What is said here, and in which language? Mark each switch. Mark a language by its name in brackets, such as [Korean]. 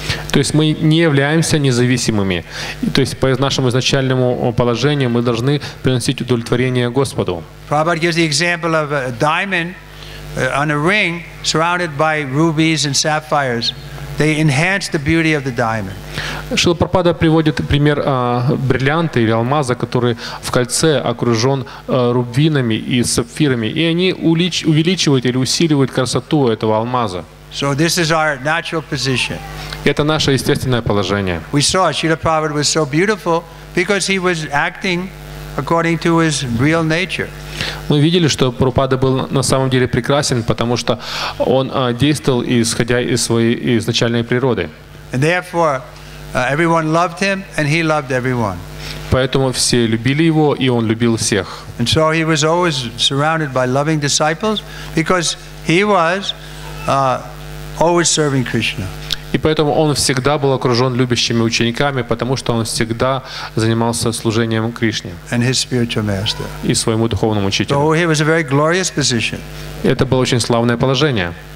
[Russian] То есть мы не являемся независимыми. То есть по нашему изначальному положению мы должны приносить удовлетворение Господу. [English] Prabhupada gives the example of a diamond on a ring surrounded by rubies and sapphires. They enhance the beauty of the diamond. [Russian] Шрила Прабхупада приводит пример бриллианта или алмаза, который в кольце окружен рубинами и сапфирами, и они увеличивают или усиливают красоту этого алмаза. [English] So this is our natural position. [Russian] Это наше естественное положение. [English] We saw Srila Prabhupada was so beautiful because he was acting according to his real nature. [Russian] Мы видели, что Прабхупада был на самом деле прекрасен, потому что он действовал исходя из своей изначальной природы. [English] And therefore, everyone loved him, and he loved everyone. [Russian] Поэтому все любили его, и он любил всех. [English] And so he was always surrounded by loving disciples because he was always serving Krishna. [Russian] И поэтому он всегда был окружен любящими учениками, потому что он всегда занимался служением Кришне и своему духовному учителю. Это было очень славное положение.